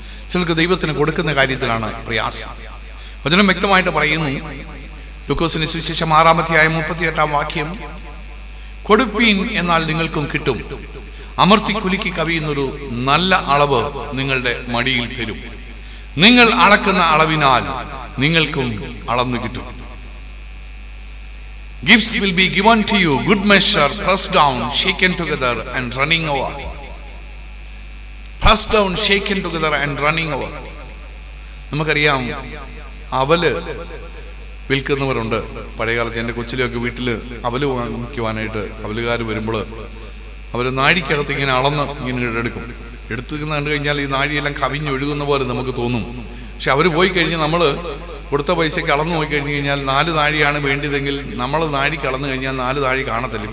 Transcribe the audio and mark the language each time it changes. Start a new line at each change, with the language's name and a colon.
Malayalam: ചിലർക്ക് ദൈവത്തിന് കൊടുക്കുന്ന കാര്യത്തിലാണ് പ്രയാസം. വചനം വ്യക്തമായിട്ട് പറയുന്നു, ലൂക്കോസിന് സുവിശേഷം 6:38 കൊടുപ്പീൻ എന്നാൽ നിങ്ങൾക്കും കിട്ടും, അമർത്തി കുലുക്കി കവിയുന്നൊരു നല്ല അളവ് നിങ്ങളുടെ മടിയിൽ തരും, നിങ്ങൾ അളക്കുന്ന അളവിനാൽ നിങ്ങൾക്കും അളന്നു കിട്ടും.
English: Gifts will be given to you, good measure, pressed down, shaken together and running over. Pressed down, shaken together and running over.
Malayalam: നമുക്കറിയാം, അവല് വിൽക്കുന്നവരുണ്ട്. പഴയകാലത്ത് എൻ്റെ കൊച്ചിലെയൊക്കെ വീട്ടിൽ അവല് വാങ്ങിക്കുവാനായിട്ട് അവലുകാർ വരുമ്പോൾ അവർ നാഴിക്കകത്ത് ഇങ്ങനെ അളന്ന് ഇങ്ങനെ എടുക്കും. എടുത്തു കണ്ടു കഴിഞ്ഞാൽ ഈ നാഴിയെല്ലാം കവിഞ്ഞൊഴുകുന്ന പോലെ നമുക്ക് തോന്നും. പക്ഷെ അവർ പോയി കഴിഞ്ഞ് നമ്മൾ കൊടുത്ത പൈസയ്ക്ക് അളന്ന് പോയി കഴിഞ്ഞ് കഴിഞ്ഞാൽ 4 നാഴിയാണ് വേണ്ടിയതെങ്കിൽ നമ്മൾ നാഴിക്ക് അളന്ന് കഴിഞ്ഞാൽ 4 നാഴി കാണത്തില്ല.